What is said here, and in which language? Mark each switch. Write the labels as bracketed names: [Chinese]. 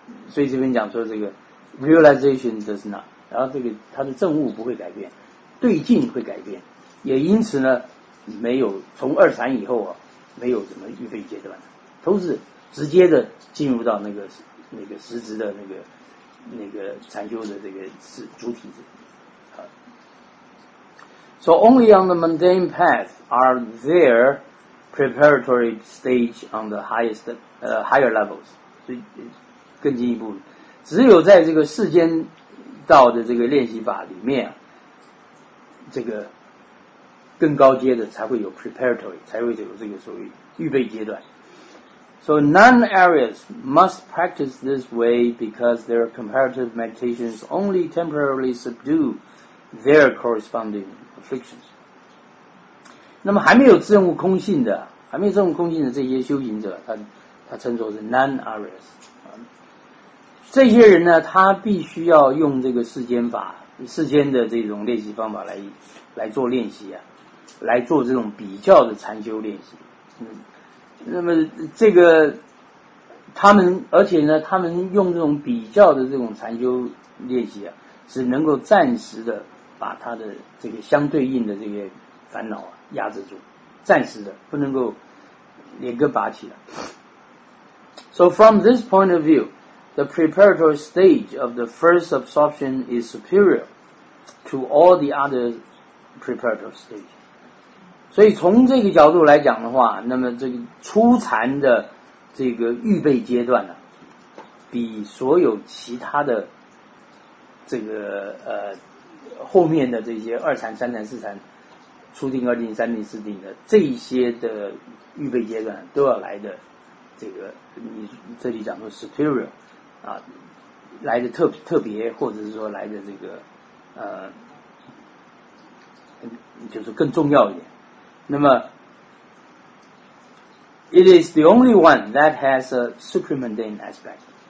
[Chinese] 所以这边讲说这个 [English] realization does not， [Chinese] 然后这个它的证悟不会改变，对境会改变，也因此呢，没有从二禅以后啊，没有什么预备阶段，都是直接的进入到那个实质的那个禅修的这个是主体的。 [English] So only on the mundane path are there. Preparatory stage on the highest, higher levels. [Chinese] 所以更进一步，只有在这个世间道的这个练习法里面，这个更高阶的才会有 preparatory， 才会有这个所谓预备阶段。 [English] So non-Aryas must practice this way because their comparative meditations only temporarily subdue their corresponding afflictions. [Chinese] 那么还没有证悟空性的，还没有证悟空性的这些修行者，他称作是 non-Aryas、这些人呢，他必须要用这个世间法、世间的这种练习方法来做练习啊，来做这种比较的禅修练习。那么这个他们，而且呢，他们用这种比较的这种禅修练习啊，只能够暂时的把他的这个相对应的这些烦恼啊。压制住，暂时的不能够连根拔起了。 [English] So from this point of view, the preparatory stage of the first absorption is superior to all the other preparatory stages. [Chinese] 所以从这个角度来讲的话，那么这个初禅的这个预备阶段呢，比所有其他的这个后面的这些二禅、三禅、四禅。初定、二定、三定、四定的这一些的预备阶段都要来的，这个你这里讲说 superior 啊，来的特别，或者是说来的这个就是更重要一点。那么 [English] ，it is the only one that has a supramundane aspect.